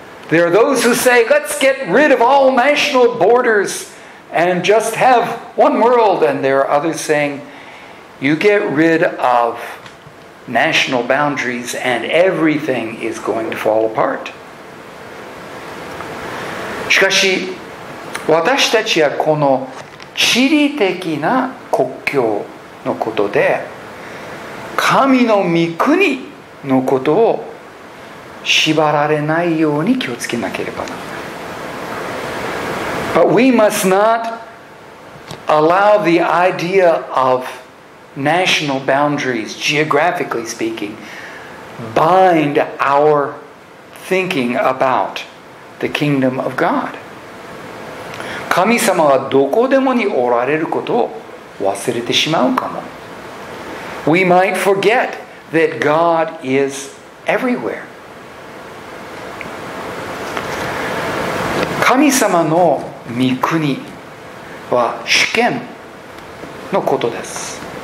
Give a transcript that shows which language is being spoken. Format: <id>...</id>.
<en>There are those who say, let's get rid of all national borders and just have one world. And there are others saying, you get rid of national boundaries and everything is going to fall apart.</en> <ja>しかし、私たちはこの地理的な国境のことで、神の御国のことを縛られないように気をつけなければならない。</ja> <en>But we must not allow the idea of national boundaries, geographically speaking, bind our thinking about the kingdom of God.</en> <ja>神様がどこでもにおられることを忘れてしまうかも。</ja> <en>We might forget that God is everywhere.</en> <ja>神様の御国は主権のことです。</ja>